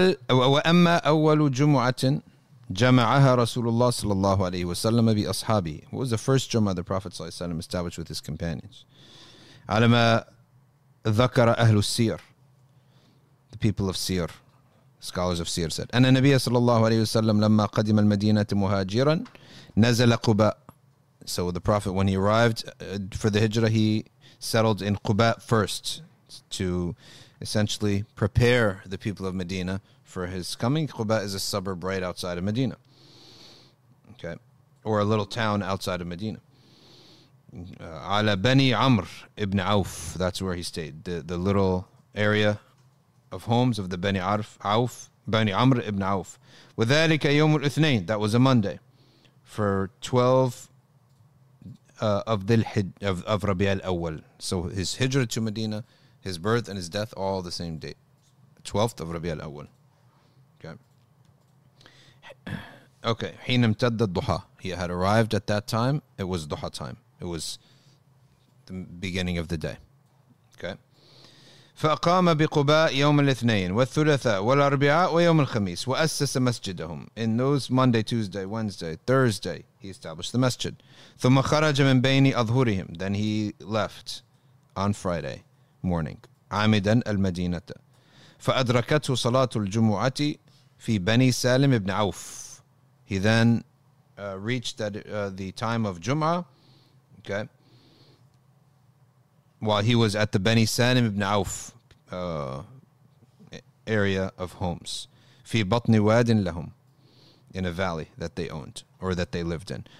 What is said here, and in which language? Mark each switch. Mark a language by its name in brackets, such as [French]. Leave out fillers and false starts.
[Arabic] Wa amma awwalu jumu'atin. جمعها رسول الله صلى الله عليه وسلم بأصحابه. [English] What was the first Jum'a the Prophet [Arabic] صلى الله عليه وسلم [English] established with his companions? [Arabic] على ما ذكر أهل السير. [English] The people of Sir, scholars of Sir said. [Arabic] أن النبي صلى الله عليه وسلم لما قدم المدينة مهاجرا نزل قباء. [English] So the Prophet, when he arrived for the Hijrah, he settled in قباء first to essentially prepare the people of Medina for his coming. Quba is a suburb right outside of Medina. Okay. Or a little town outside of Medina. Ala Bani Amr ibn Auf. That's where he stayed. The little area of homes of the Bani Auf. Bani Amr ibn Auf. [Arabic] وَذَلِكَ يَوْمُ الْإِثْنَيْنِ. [English] That was a Monday. For 12 of Rabi al-Awwal. So his hijrah to Medina, his birth and his death, all the same date. 12th of Rabi al-Awwal. Okay, [Arabic] حين امتد الضحى. [English] He had arrived at that time. It was duha time. It was the beginning of the day. Okay. [Arabic] فأقام بقباء يوم الاثنين والثلاثاء والأربعاء ويوم الخميس وأسس مسجدهم. [English] In those Monday, Tuesday, Wednesday, Thursday, he established the masjid. [Arabic] ثم خرج من بين أظهرهم. [English] Then he left on Friday morning. [Arabic] عامدا المدينة. فأدركته صلاة الجمعة في بني سالم بن عوف. [English] He then reached that the time of Jum'ah, okay, while he was at the Bani Salim ibn Auf area of homes. [Arabic] في بطن واد لهم, [English] in a valley that they owned or that they lived in.